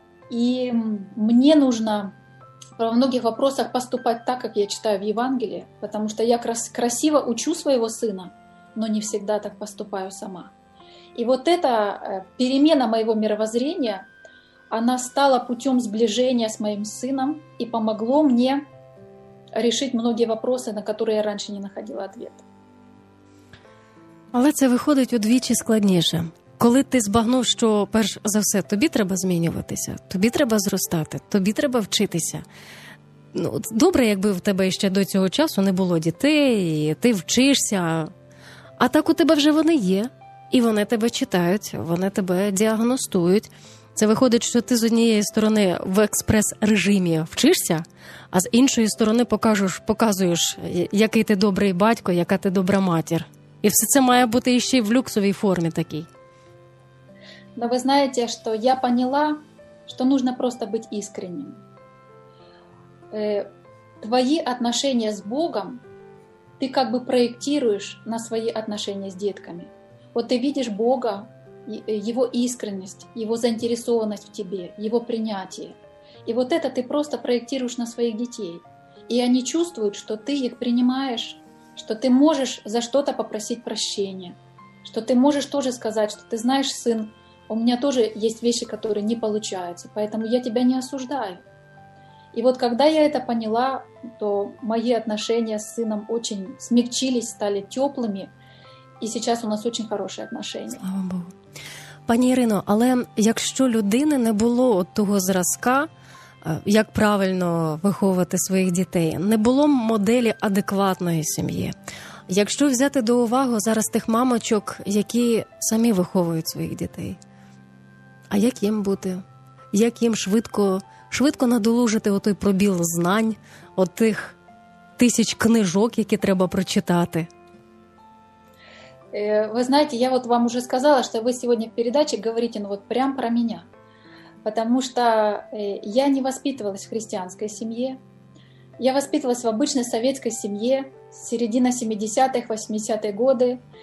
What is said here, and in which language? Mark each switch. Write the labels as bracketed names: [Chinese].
[Russian] И мне нужно во многих вопросах поступать так, как я читаю в Евангелии, потому что я красиво учу своего сына, но не всегда так поступаю сама. И вот эта перемена моего мировоззрения, она стала путем сближения с моим сыном и помогло мне решить многие вопросы, на которые я раньше не находила ответа. [Ukrainian] Але це виходить удвічі складніше. Коли ти збагнув, що перш за все тобі треба змінюватися, тобі треба зростати, тобі треба вчитися. Ну, добре, якби в тебе ще до цього часу не було дітей, і ти вчишся. А так у тебе вже вони є, і вони тебе читають, вони тебе діагностують. Це виходить, що ти з однієї сторони в експрес-режимі вчишся, а з іншої сторони показуєш, який ти добрий батько, яка ти добра матір. [Russian] И все это должно быть еще и в люксовой форме такой. Но вы знаете, что я поняла, что нужно просто быть искренним. Твои отношения с Богом ты как бы проектируешь на свои отношения с детками. Вот ты видишь Бога, Его искренность, Его заинтересованность в тебе, Его принятие. И вот это ты просто проектируешь на своих детей. И они чувствуют, что ты их принимаешь, что ты можешь за что-то попросить прощения, что ты можешь тоже сказать, что ты знаешь, сын, у меня тоже есть вещи, которые не получаются, поэтому я тебя не осуждаю. И вот когда я это поняла, то мои отношения с сыном очень смягчились, стали теплыми, и сейчас у нас очень хорошие отношения. Слава Богу. [Ukrainian] Пані Ірино, але якщо людини не було от того зразка, як правильно виховувати своїх дітей, не було моделі адекватної сім'ї. Якщо взяти до уваги зараз тих мамочок, які самі виховують своїх дітей, а як їм бути? Як їм швидко надолужити отой пробіл знань, от тих тисяч книжок, які треба прочитати? [Russian] Вы знаете, я вот вам уже сказала, что вы сегодня в передаче говорите, ну вот прям про меня. Потому что я не воспитывалась в христианской семье. Я воспитывалась в обычной советской семье, середина 70-х, 80-х годы.